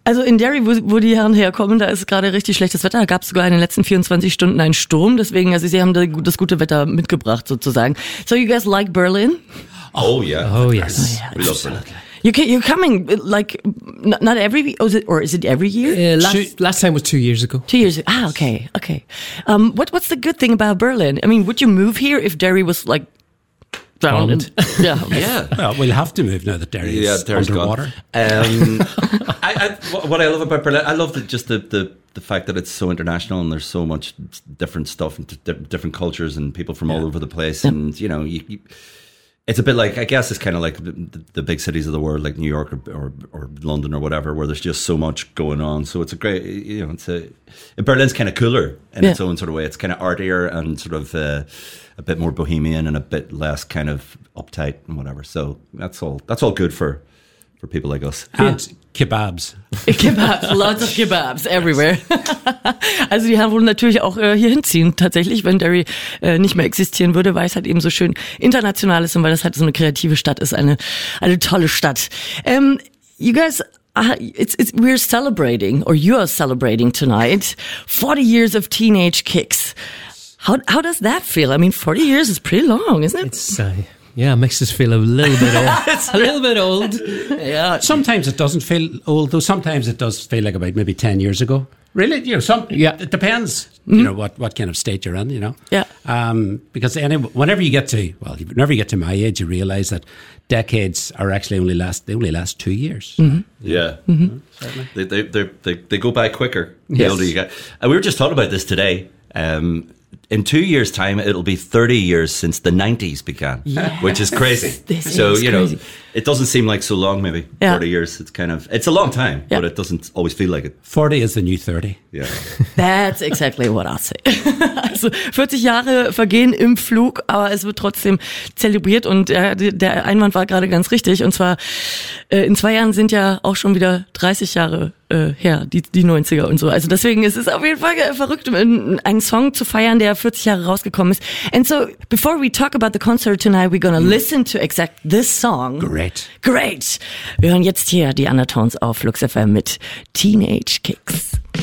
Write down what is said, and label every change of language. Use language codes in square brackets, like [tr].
[de] Also in Derry, wo die Herren herkommen, da ist gerade richtig schlechtes Wetter. Da gab es sogar in den letzten 24 Stunden einen Sturm. Deswegen, also sie haben das gute Wetter mitgebracht sozusagen. [en] So you guys like Berlin? Oh yeah. Oh yes. We love Berlin. You're coming, like, not every, or is it every year? Last time was 2 years ago. 2 years ago. Ah, okay. What's the good thing about Berlin? I mean, would you move here if Derry was, like, drowned? Yeah. Well, we'll have to move now that Derry is Derry's underwater. What I love about Berlin, I love the fact that it's so international and there's so much different stuff and different cultures and people from all over the place. Yeah. And, you know, it's a bit like, I guess it's kind of like the big cities of the world, like New York or London or whatever, where there's just so much going on. So it's a great, you know, Berlin's kind of cooler in its own sort of way. It's kind of artier and sort of a bit more bohemian and a bit less kind of uptight and whatever. So that's all good for people like us. And kebabs. Kebabs, lots of kebabs everywhere. [de] Also die Herren wollen natürlich auch hier hinziehen, tatsächlich, wenn Derry nicht mehr existieren würde, weil es halt eben so schön international ist und weil das halt so eine kreative Stadt ist, eine tolle Stadt. [en] You guys, we're celebrating, or you are celebrating tonight, 40 years of Teenage Kicks. How does that feel? I mean, 40 years is pretty long, isn't it? Yeah, it makes us feel a little bit old. A little bit old. Yeah. Sometimes it doesn't feel old, though sometimes it does feel like about maybe 10 years ago. Really? You know, it depends, you know, what kind of state you're in, you know. Yeah. Because whenever you get to my age, you realize that decades are actually only last 2 years. Mm-hmm. Yeah. Mm-hmm. They go by quicker. Yes. The older you get. And we were just talking about this today. In 2 years' time, it'll be 30 years since the 90s began, which is crazy. It doesn't seem like so long, maybe, 40 years. It's kind of, it's a long time, but it doesn't always feel like it. 40 is the new 30. Yeah. That's exactly what I'll say. [de] Also 40 Jahre vergehen im Flug, aber es wird trotzdem zelebriert. Und der Einwand war gerade ganz richtig. Und zwar, in 2 Jahren sind ja auch schon wieder 30 Jahre her, die 90er und so. Also deswegen ist es auf jeden Fall verrückt, einen Song zu feiern, der 40 Jahre rausgekommen ist. [en] And so, before we talk about the concert tonight, we're gonna listen to exact this song. Great. Great. [de] Wir hören jetzt hier die Undertones auf Lux FM mit Teenage Kicks.